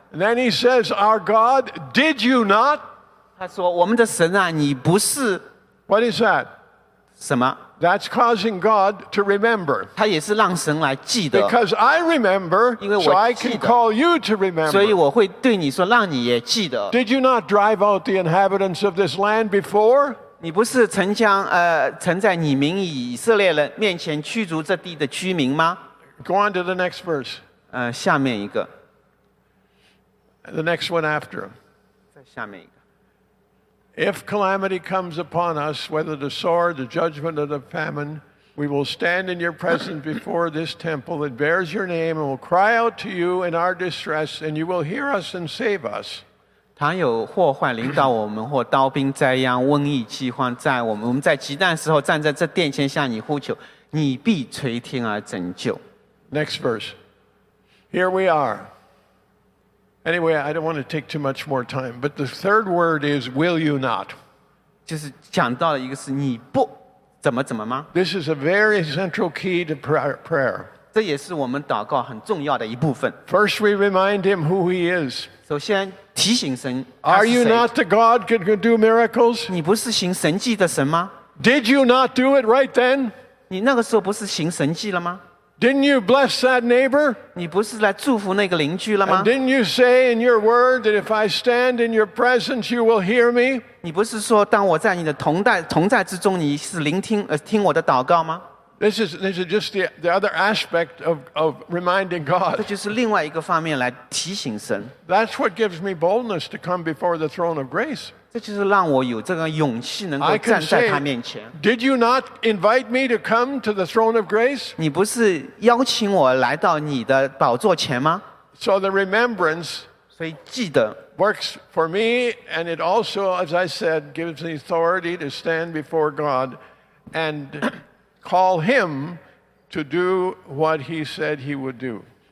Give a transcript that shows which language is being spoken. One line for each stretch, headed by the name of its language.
English: And then he says, our God, did you not?
Chinese: 他说我们的神啊你不是
English: What is that?
Chinese: 什么?
English: That's causing God to remember.
Chinese: 他也是让神来记得。
English: Because I remember,
Chinese: 因为我记得。
English: So I can call you to remember.
Chinese: 所以我会对你说让你也记得。
English: Did you not drive out the inhabitants of this land before?
Chinese: 你不是曾在你名以色列人面前驱逐这地的居民吗?
English: Go on to the next verse.
Chinese: 下面一个。
English: the next one after him. If calamity comes upon us, whether the sword, the judgment, or the famine, we will stand in your presence before this temple that bears your name and will cry out to you in our distress, and you will hear us and save us.
Chinese: 倘有祸患临到我们，或刀兵灾殃、瘟疫饥荒在我们，我们在极难时候站在这殿前向你呼求，你必垂听而拯救。
English: Next verse. Here we are. Anyway, I don't want to take too much more time, but the third word is, will you not?
Chinese: 就是讲到了一个是你不怎么怎么吗？
English: This is a very central key to prayer.
Chinese: 这也是我们祷告很重要的一部分。
English: First, we remind him who he is.
Chinese: 首先提醒神,
English: are you not the God who can do miracles?
Chinese: 你不是行神迹的神吗？
English: Did you not do it right then?
Chinese: 你那个时候不是行神迹了吗？
English: Didn't you bless that neighbor?
Chinese: 你不是来祝福那个邻居了吗？
English: And didn't you say in your word that if I stand in your presence, you will hear me?
Chinese: 你不是说当我在你的同在之中，你是聆听听我的祷告吗？
English: This is just the other aspect of reminding God.
Chinese: 这就是另外一个方面来提醒神。
English: That's what gives me boldness to come before the throne of grace.
Chinese: 这就是让我有这个勇气能够站在他面前。
English: Did you not invite me to come to the throne of grace?
Chinese: 你不是邀请我来到你的宝座前吗？
English: So the remembrance
Chinese: 所以记得,
English: works for me, and it also, as I said, gives me authority to stand before God and call him to do what he said he would do.